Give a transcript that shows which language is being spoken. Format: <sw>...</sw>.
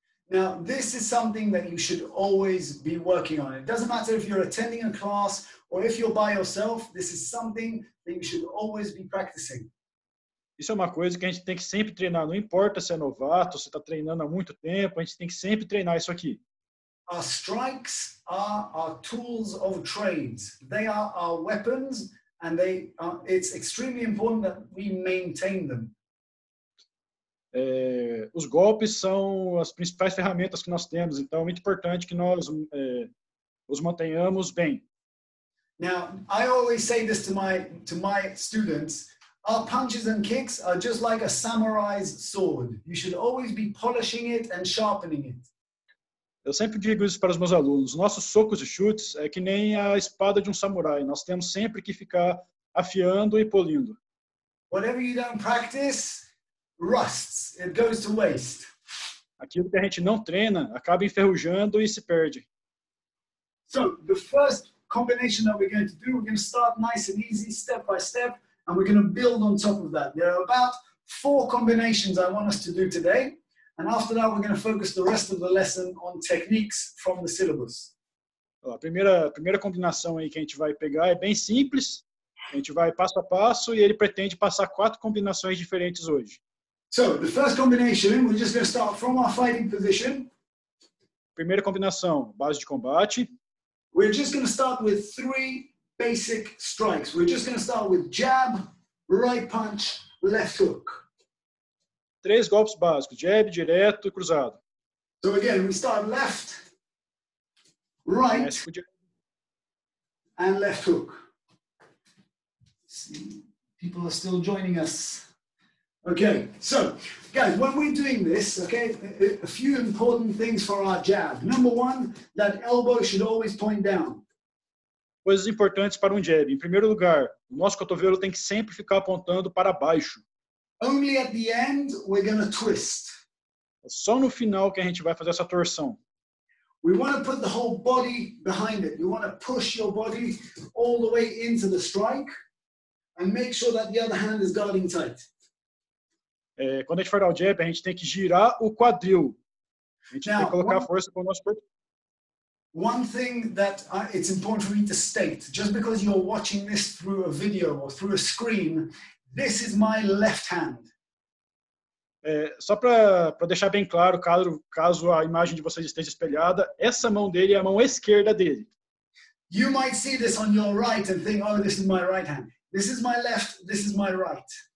<en>Now, this is something that you should always be working on. It doesn't matter if you're attending a class or if you're by yourself, this is something that you should always be practicing.</en> <pt>Isso é uma coisa que a gente tem que sempre treinar. Não importa se é novato, se está treinando há muito tempo, a gente tem que sempre treinar isso aqui.</pt> <en>Our strikes are our tools of trades. They are our weapons, and it's extremely important that we maintain them.</en> <pt>Os golpes são as principais ferramentas que nós temos, então é muito importante que nós os mantenhamos bem.</pt> <en>Now, I always say this to my students. Our punches and kicks are just like a samurai's sword. You should always be polishing it and sharpening it.</en> <pt>Eu sempre digo isso para os meus alunos. Nossos socos e chutes é que nem a espada de samurai. Nós temos sempre que ficar afiando e polindo.</pt> <en>Whatever you don't practice, rusts. It goes to waste.</en> <pt>Aquilo que a gente não treina acaba enferrujando e se perde.</pt> <en>So, the first combination that we're going to do. We're going to start nice and easy, step by step, and we're going to build on top of that. There are about 4 combinations I want us to do today. And after that, we're going to focus the rest of the lesson on techniques from the syllabus.</en> <pt>A primeira combinação aí que a gente vai pegar é bem simples. A gente vai passo a passo e ele pretende passar 4 combinações diferentes hoje.</pt> <en>So, the first combination, we're just going to start from our fighting position.</en> <pt>Primeira combinação, base de combate.</pt> <en>We're just going to start with 3 basic strikes. We're just going to start with jab, right punch, left hook.</en> <pt>3 golpes básicos, jab, direto e cruzado.</pt> <en>So again, we start left, right, and left hook. See, people are still joining us. Okay, so guys, when we're doing this, okay, a few important things for our jab. Number one, that elbow should always point down.</en> <pt>Coisas importantes para jab. Em primeiro lugar, o nosso cotovelo tem que sempre ficar apontando para baixo.</pt> <en>Only at the end we're going to twist.</en> <pt>É só no final que a gente vai fazer essa torção.</pt> <en>We want to put the whole body behind it. You want to push your body all the way into the strike and make sure that the other hand is guarding tight.</en> <pt>É, quando a gente for dar o jab, a gente tem que girar o quadril. A gente tem que colocar força com o nosso corpo.</pt> <en>One thing that it's important for me to state, just because you're watching this through a video or through a screen, this is my left hand.</en> <pt>É, só para deixar bem claro, caso a imagem de vocês esteja espelhada, essa mão dele é a mão esquerda dele.</pt> <en>You might see this on your right and think, oh, this is my right hand. This is my left, this is my right.</en>